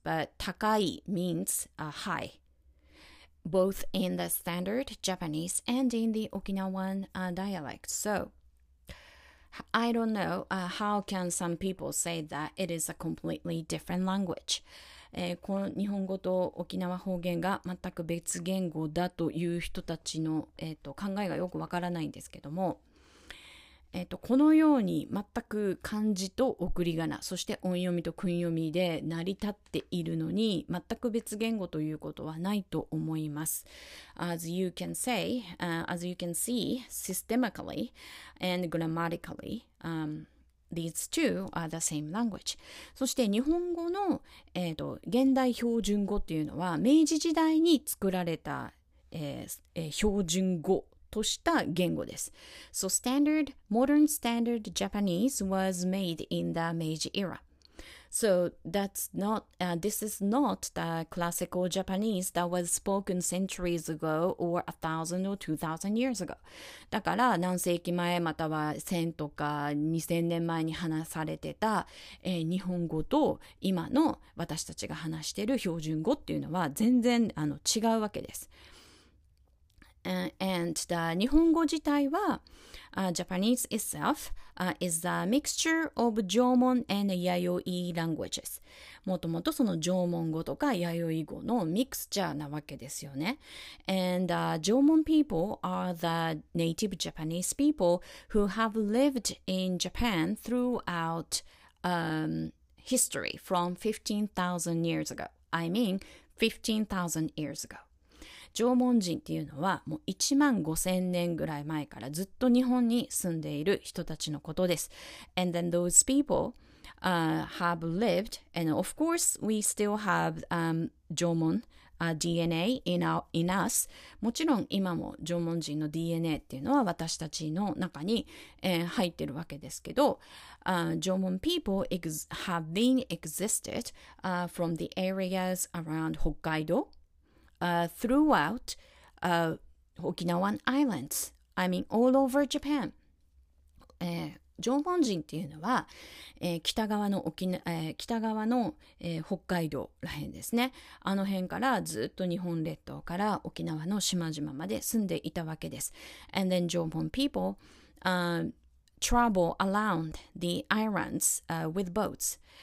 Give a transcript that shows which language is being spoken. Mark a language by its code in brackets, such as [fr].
[en] But 高い means high, both in the standard Japanese and in the Okinawan dialect. So, I don't know how can some people say that it is a completely different language. [ja] この日本語と沖縄方言が全く別言語だという人たちの考えがよくわからないんですけども、このように全く漢字と送り仮名、そして音読みと訓読みで成り立っているのに、全く別言語ということはないと思います。 [en] As you can say, as you can see, systematically and grammatically, these two are the same language. [ja] そして日本語の、現代標準語っていうのは、明治時代に作られた、標準語とした言語です。 [en] So standard, modern standard Japanese was made in the Meiji era. So that's not, this is not the classical Japanese that was spoken centuries ago or a thousand or 2000 years ago. [ja] だから何世紀前または千とか2000年前に話されてた、日本語と今の私たちが話している標準語っていうのは全然違うわけです。 [en] And the [ja] 日本語自体は [en] Japanese itself is a mixture of 縄文 and 弥生 languages. [ja] もともとその縄文語とか弥生語のミクスチャーなわけですよね。 [en] And 縄文 people are the native Japanese people who have lived in Japan throughout history from 15,000 years ago. I mean 15,000 years ago. [ja] 縄文人っていうのはもう1万5千年ぐらい前からずっと日本に住んでいる人たちのことです。 [en] And then those people, have lived, and of course we still have, 縄文、DNA in us. [ja] もちろん今も縄文人の DNA っていうのは私たちの中に、入ってるわけですけど、縄文 [en] people have been existed, from the areas around Hokkaido,throughout, Okinawan islands. I mean, all over Japan. [ja] 縄文人っていうのは、北側の沖縄、北側の、北海道ら辺ですね。あの辺からずっと日本列島から沖縄の島々まで住んでいたわけです。 [en] And then 縄文 people, travel around the islands, with boats.